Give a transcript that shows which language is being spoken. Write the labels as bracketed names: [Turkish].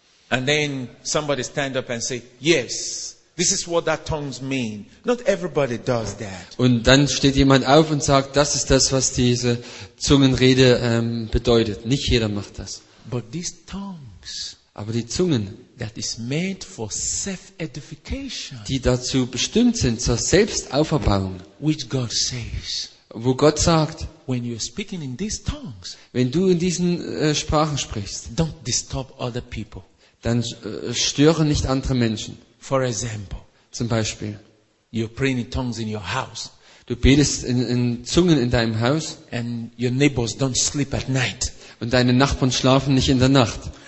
[English] And then somebody stand up and say, yes. This is what that tongues mean. Not everybody does that. [German] Und dann steht jemand auf und sagt, das ist das, was diese Zungenrede bedeutet. Nicht jeder macht das. [English] But these tongues, [German] aber die Zungen, [English] that is meant for self-edification, [German] die dazu bestimmt sind zur Selbstauferbauung, [English] which God says, [German] wo Gott sagt, [English] when you're speaking in these tongues, [German] wenn du in diesen Sprachen sprichst, [English] don't disturb other people. [German] Dann störe nicht andere Menschen. [English] For example, [German] zum Beispiel, [English] you're praying in tongues in your house. [German] Du betest in Zungen in deinem Haus. [English] And your neighbors don't sleep at night. [German] Und deine Nachbarn schlafen nicht in der Nacht.